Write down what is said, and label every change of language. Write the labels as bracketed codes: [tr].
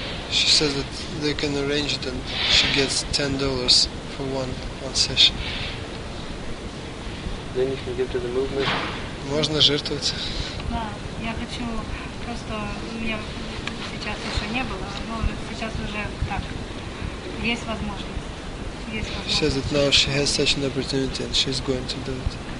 [en] She says that they can arrange it and she gets $10 for one session. Then you can give to the movement. [ru] Можно жертвовать. Да, я хочу просто, у меня сейчас еще не было, но сейчас уже так, есть возможность. Есть возможность. [en] She says that now she has such an opportunity and she's going to do it.